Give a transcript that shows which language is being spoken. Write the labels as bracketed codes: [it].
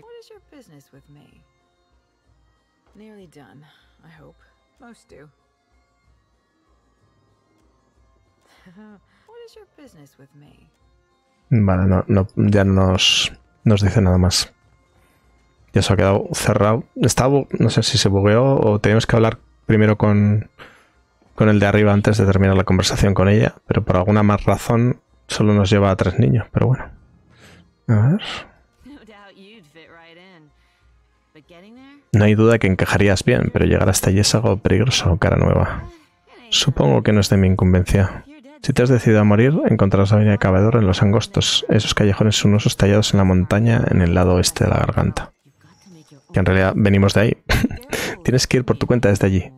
[en] What is your business with me? Nearly done, I hope. Most do. What is your business with me? [es] Vale, no, ya no nos dice nada más. Ya se ha quedado cerrado. Estaba, no sé si se bugueó o teníamos que hablar primero con el de arriba antes de terminar la conversación con ella, pero por alguna más razón solo nos lleva a tres niños, pero bueno. A ver. [en] No doubt you'd fit right in. But getting there? [es] No hay duda que encajarías bien, pero llegar hasta allí es algo peligroso, cara nueva. Supongo que no es de mi incumbencia. Si te has decidido a morir, encontrarás la avenida Cavador en los angostos, esos callejones sinuosos tallados en la montaña en el lado oeste de la garganta. Que en realidad venimos de ahí. Tienes que ir por tu cuenta desde allí.